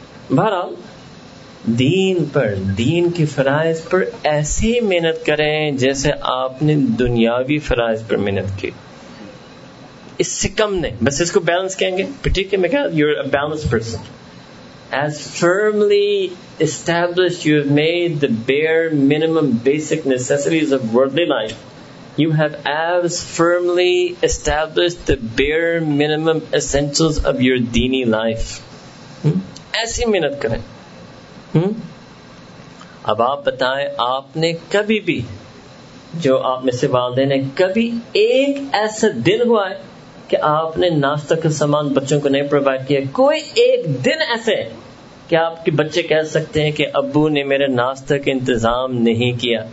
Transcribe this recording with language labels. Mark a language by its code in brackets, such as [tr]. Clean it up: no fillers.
[ur] بہرحال دین پر, دین کے فرائض پر ایسے محنت کریں جیسے آپ نے دنیاوی فرائض پر محنت کی, اس سے کم نہیں. بس اس کو بیلنس کہیں گے, ٹھیک ہے؟ میں کہا [en] You are a balance person. As firmly established you have made the bare minimum basic necessities of worldly life, you have as firmly established the bare minimum essentials of your deeni life. [ur] ایسی محنت کرے. اب آپ بتائے, آپنے کبھی بھی, جو آپ میں سے والدین ہیں, کبھی ایک ایسا دن ہوا ہے کی آپنے ناشتہ کا سامان بچوں کو نہیں provide کیا؟ کوئی ایک دن ایسے ہے کی آپکے بچے کہہ سکتے ہیں کی ابو نے میرے ناشتہ کا انتظام نہیں کیا؟